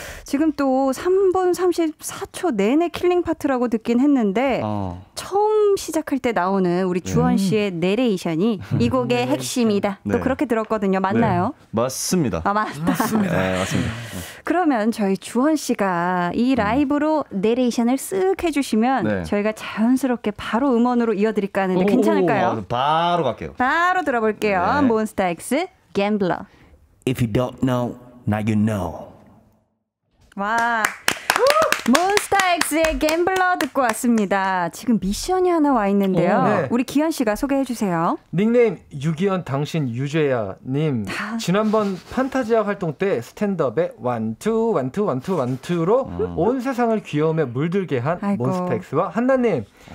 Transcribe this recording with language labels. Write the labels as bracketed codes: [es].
[ko] 지금 또 3분 34초 내내 킬링 파트라고 듣긴 했는데 처음 시작할 때 나오는 우리 주원 씨의 내레이션이 이 곡의 핵심이다. 네. 또 그렇게 들었거든요. 맞나요? 네. 맞습니다. 아, 맞다. 맞습니다. 네, 맞습니다. 그러면 저희 주원 씨가 이 라이브로 내레이션을 쓱 해주시면 네. 저희가 자연스럽게 바로 음원으로 이어드릴까 하는데 괜찮을까요? 바로 갈게요. 바로 들어볼게요. 네. 몬스타엑스 갬블러. [en] If you don't know, now you know. [ko] 와, 몬스타엑스의 갬블러 듣고 왔습니다. 지금 미션이 하나 와 있는데요. 네. 우리 기현 씨가 소개해 주세요. 닉네임 유기현 당신 유재야 님. 지난번 판타지아 활동 때 스탠드업에 원투 원투 원투 원투로 온 세상을 귀여움에 물들게 한 몬스타엑스와 한나님.